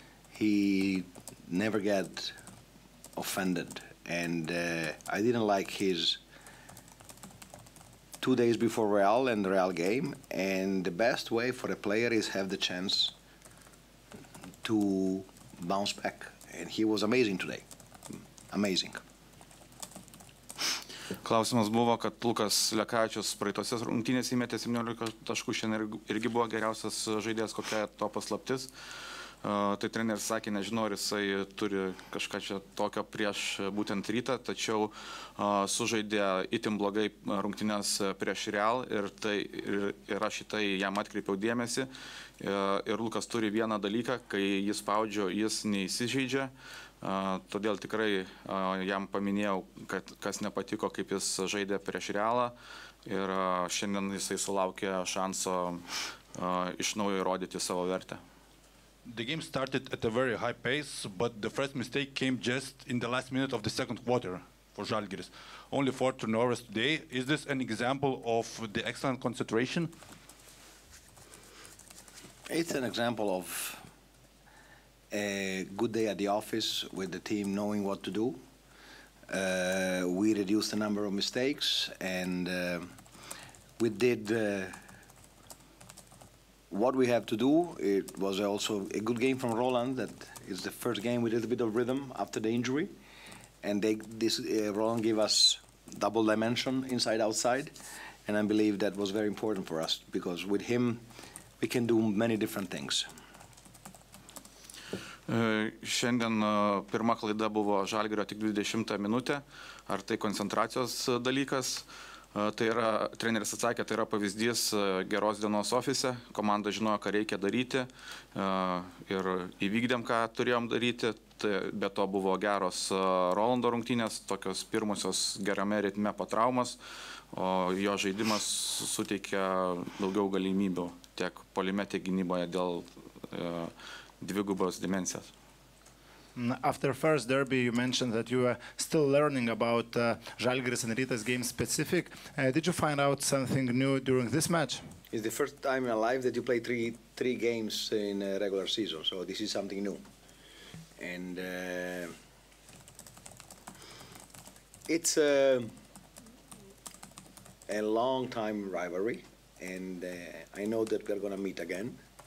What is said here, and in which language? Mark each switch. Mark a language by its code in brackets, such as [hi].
[en] He never got offended, and I didn't like his 2 days before Real and Real game. And the best way for a player is have the chance to bounce back. And he was amazing today. Amazing. [lt] Klausimas buvo, kad Lukas Lekavičius praeitose rungtynėse įmetė 17 taškų, šiandien irgi buvo geriausias žaidėjas, kokia to paslaptis. Tai treneris sakė, nežinau, ar jisai turi kažką čia tokio prieš būtent rytą, tačiau sužaidė itin blogai rungtynės prieš Real ir, tai, ir aš į tai jam atkreipiau dėmesį. Ir Lukas turi vieną dalyką, kai jis spaudžio, jis neįsižeidžia. Todėl tikrai jam paminėjau, kad kas nepatiko, kaip jis žaidė prieš Realą. Ir šiandien jisai sulaukė šanso iš naujo įrodyti savo vertę. [en] The game started at a very high pace, but the first mistake came just in the last minute of the second quarter for Žalgiris. Only 4 turnovers today. Is this an example of the excellent concentration? It's an example of a good day at the office with the team knowing what to do. We reduced the number of mistakes and we did what we have to do. It was also a good game from Roland, that is the first game with a little bit of rhythm after the injury. And Roland gave us double dimension inside outside. And I believe that was very important for us, because with him we can do many different things. [lt] Šiandien pirma klaida buvo Žalgirio tik 20 minutę. Ar tai koncentracijos dalykas? Tai yra, treneris atsakė, tai yra pavyzdys geros dienos ofise. Komanda žinojo, ką reikia daryti ir įvykdėm, ką turėjom daryti. Tai, be to buvo geros Rolando rungtynės, tokios pirmosios gerame ritme po traumas, o jo žaidimas suteikė daugiau galimybių tiek polime, tiek gynyboje dėl dvigubos dimensijos. [en] After first derby, you mentioned that you were still learning about Žalgiris and Rytas game specific. Did you find out something new during this match? It's the first time in my life that you play three games in a regular season, so this is something new. And it's a long time rivalry, and I know that we're going to meet again.